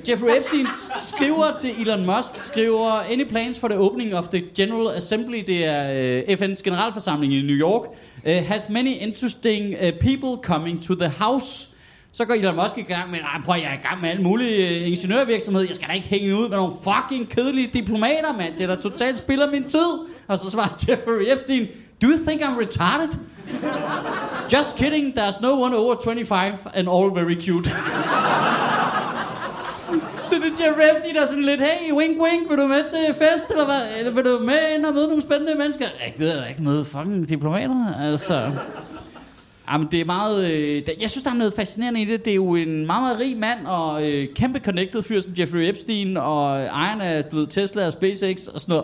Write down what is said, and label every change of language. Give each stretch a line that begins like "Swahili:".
Danish: Jeffrey Epstein skriver til Elon Musk, skriver,
English: any plans for the opening of the General Assembly,
Danish: det er FN's generalforsamling i New York,
English: has many interesting people coming to the house.
Danish: Så går Elon Musk i gang med, prøv at jeg er i gang med alt muligt ingeniørvirksomhed, jeg skal da ikke hænge ud med nogle fucking kedelige diplomater, mand, det der totalt spiller min tid. Og så svarer Jeffrey Epstein,
English: do you think I'm retarded? Just kidding, there's no one over 25 and all very cute.
Danish: Så det er Jeffrey Epstein, der er sådan lidt,
English: hey, wink wink,
Danish: vil du med til fest, eller hvad? Eller vil du med ind og møde nogle spændende mennesker? Jeg gider da ikke møde fucking diplomater, altså... Jamen, det er meget... jeg synes, der er noget fascinerende i det. Det er jo en meget, meget rig mand og kæmpe connected fyr som Jeffrey Epstein og ejeren af, du ved, Tesla og SpaceX og sådan noget.